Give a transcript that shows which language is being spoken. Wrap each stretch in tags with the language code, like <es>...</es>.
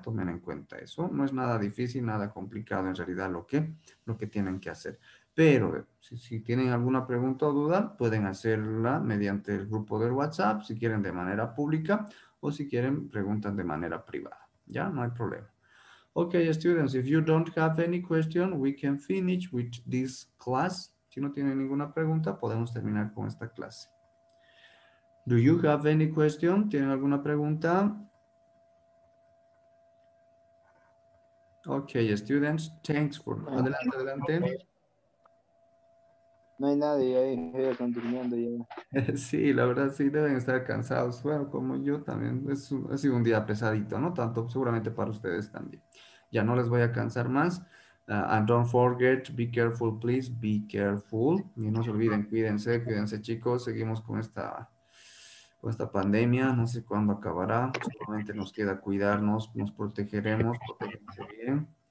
<es>Tomen en cuenta eso. No es nada difícil, nada complicado en realidad lo que tienen que hacer. Pero si tienen alguna pregunta o duda, pueden hacerla mediante el grupo del WhatsApp, si quieren de manera pública, o si quieren, preguntan de manera privada. Ya no hay problema.</es> <en>Okay, students, if you don't have any question, we can finish with this class.</en> <es>Si no tienen ninguna pregunta, podemos terminar con esta clase.</es> <en>Do you have any question?</en> <es>¿Tienen alguna pregunta?</es> <en>Okay, students, thanks for...</en> <es>Adelante, adelante. No hay nadie ahí, ellos están durmiendo ya. Sí, la verdad sí, deben estar cansados. Bueno, como yo también, ha sido un día pesadito, ¿no? Tanto seguramente para ustedes también. Ya no les voy a cansar más.</es> <en>And don't forget, be careful, please, be careful.</en> <es>Y no se olviden, cuídense, chicos. Seguimos con esta pandemia. No sé cuándo acabará. Solamente nos queda cuidarnos, nos protegeremos. Protegerse bien.</es>